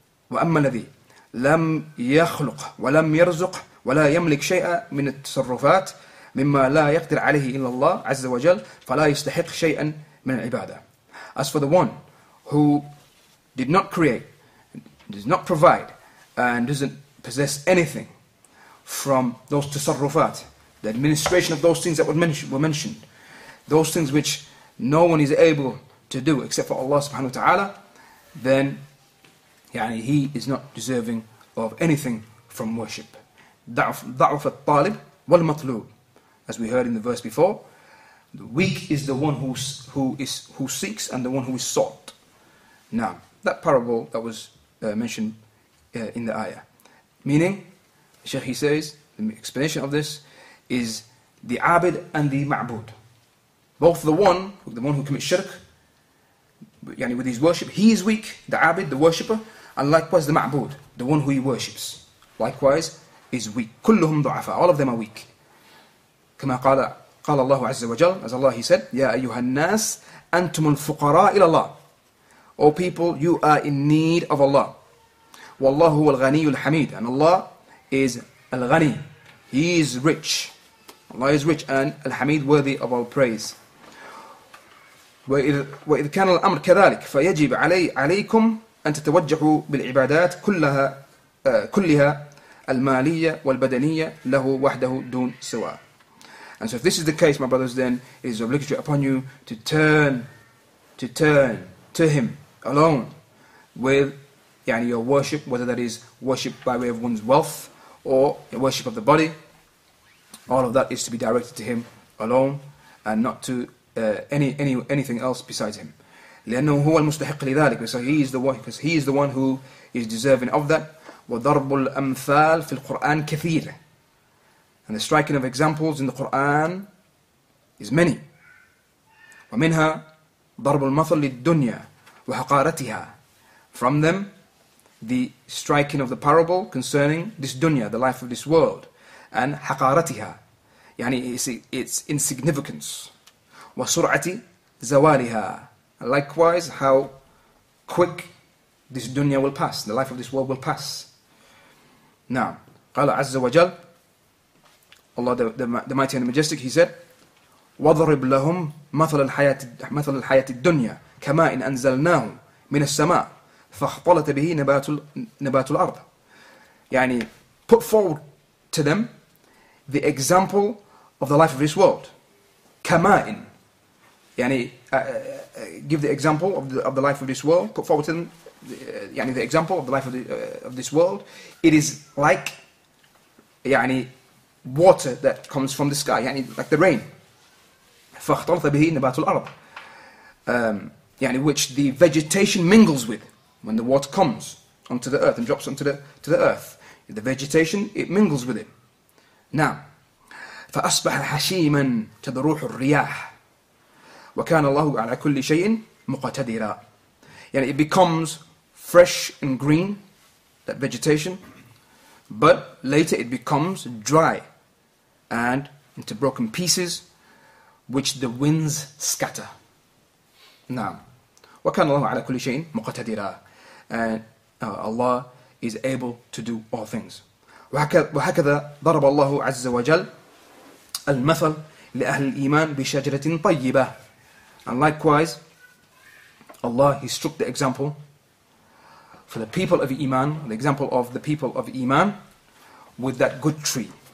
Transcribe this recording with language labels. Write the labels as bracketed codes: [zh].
[ar] وأما الذي لم يخلق ولم يرزق ولا يملك شيئا من التصرفات مما لا يقدر عليه إلا الله عز وجل فلا يستحق شيئا من العبادة. [en] As for the one who did not create, does not provide, and doesn't possess anything from those tasarrufat, the administration of those things that were mentioned, those things which no one is able to do except for Allah subhanahu wa ta'ala, then يعني, he is not deserving of anything from worship. [ar] ضعف الطالب والمطلوب. [en] As we heard in the verse before, the weak is the one who seeks and the one who is sought. Now, that parable that was mentioned in the ayah. Meaning, Shaykh, he says, the explanation of this is the abid and the ma'bud. Both the one who commits shirk, yani with his worship, he is weak, the abid, the worshipper, and likewise the ma'bud, the one who he worships. Likewise, is weak. [ar] كلهم ضعفاء. [en] All of them are weak. [ar] كما قال قال الله عز وجل, [en] as Allah He said, [ar] يا أيها الناس أنتم الفقراء إلى الله. [en] O people, you are in need of Allah. [ar] والله هو الغني الحميد. [en] And Allah is الغني. He is rich. Allah is rich and الحميد, worthy of all praise. [ar] وإذ كان الأمر كذلك فيجب عليكم أن تتوجهوا بالعبادات كلها كلها المالية والبدنية له وحده دون سواء. [en] And so if this is the case, my brothers, then it is obligatory upon you to turn to him alone with يعني, your worship, whether that is worship by way of one's wealth or worship of the body. All of that is to be directed to him alone and not to anything else besides him. [ar] لأنه هو المستحق لذلك. [en] So he is the one, because he is the one who is deserving of that. [ar] وضرب الأمثال في القرآن كثير. [en] And the striking of examples in the Quran is many. [ar] ومنها ضرب المثل للدنيا وحقارتها. [en] From them, the striking of the parable concerning this dunya, the life of this world, and حقارتها, يعني its insignificance. [ar] وسرعة زوالها. [en] And likewise, how quick this dunya will pass, the life of this world will pass. [ar] نعم. قال عز وجل, [en] Allah the Mighty and the Majestic, He said, [ar] وَضْرِبْ لَهُمْ مَثَلَ الْحَيَاةِ الدُّنْيَا كَمَا إِنْ أَنْزَلْنَاهُ مِنَ السَّمَاءِ فَاخْطَلَتَ بِهِ نَبَاتُ الْأَرْضِ. [en] يعني, put forward to them the example of the life of this world. [ar] كَمَا إِنْ, [en] يعني, give the example of the life of this world, put forward to them يعني the example of the life of this world. It is like يعني water that comes from the sky, يعني like the rain. [ar] فاختلط به نبات الأرض, [en] يعني which the vegetation mingles with when the water comes onto the earth and drops onto the earth. The vegetation, it mingles with it. نعم. [ar] فأصبح حشيما تدروح الرياح وكان الله على كل شيء مقتدرا. [en] يعني it becomes fresh and green, that vegetation, but later it becomes dry and into broken pieces which the winds scatter. [ar] Now, وَكَانَ اللَّهُ عَلَى كُلِّ شَيْءٍ مُقَتَدِرًا. [en] And Allah is able to do all things. [ar] وَهَكَذَا ضَرَبَ اللَّهُ عَزَّ وَجَلَّ al-mathal li ahli al-iman bi shajaratin tayyibah. [en] And likewise, Allah, He struck the example for the people of iman, the example of the people of iman, with that good tree.